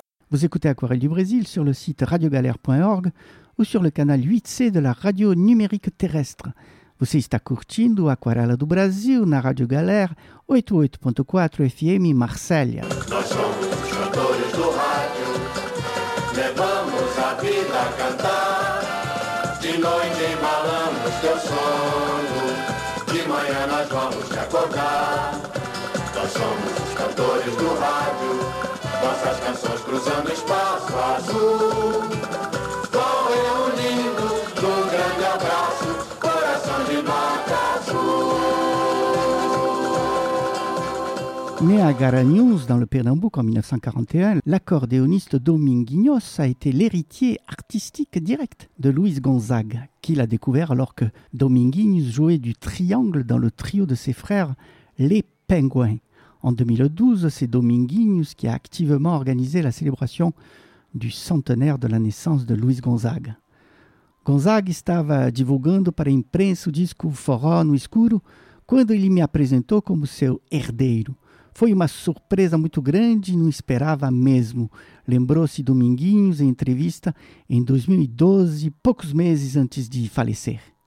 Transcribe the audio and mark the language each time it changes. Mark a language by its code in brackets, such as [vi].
[fr] Vous écoutez Aquarelle du Brésil sur le site radiogalère.org ou sur le canal 8C de la radio numérique terrestre. [pt] Você está curtindo Aquarela do Brasil na Rádio Galère 88.4 FM Marselha. Nós somos cantores do rádio, levamos a vida a cantar. De noite embalamos teu sono, de manhã nós vamos te acordar. Nós somos os cantores do rádio, nossas canções cruzando espaço azul. Vão reunindo num grande abraço, coração de mata azul. [fr] Né a Garanhuns, dans le Pernambuco, en 1941, l'accordéoniste Dominguinhos a été l'héritier artistique direct de Luiz Gonzaga, qu'il a découvert alors que Dominguinhos jouait du triangle dans le trio de ses frères, les Pingouins. En 2012, c'est Dominguinhos qui a activement organisé la célébration du centenaire de la naissance de Luiz Gonzaga. [pt] Gonzaga estava divulgando para a imprensa o disco Forró no Escuro quando ele me apresentou como seu herdeiro. Foi uma surpresa muito grande e não esperava mesmo. Lembrou-se Dominguinhos em entrevista em 2012, poucos meses antes de falecer.